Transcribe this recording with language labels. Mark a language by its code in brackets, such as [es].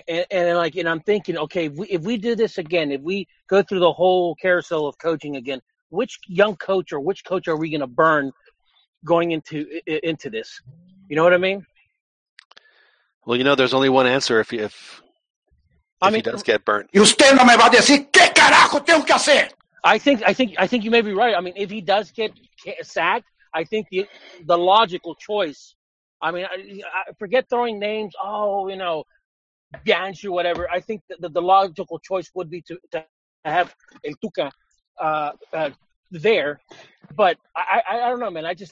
[en] And I'm thinking, okay, if we do this again, if we go through the whole carousel of coaching again, which young coach or which coach are we going to burn going into this? You know what I mean? Well, you know, there's only one answer if he does get burnt. You stand on my body and say, [es] ¿qué carajo tengo que hacer? [en] I think you may be right. I mean, if he does get sacked, I think the logical choice, I mean, I forget throwing names. Oh, you know. Bianchi, whatever. I think the logical choice would be to have El Tuca there, but I don't know, man.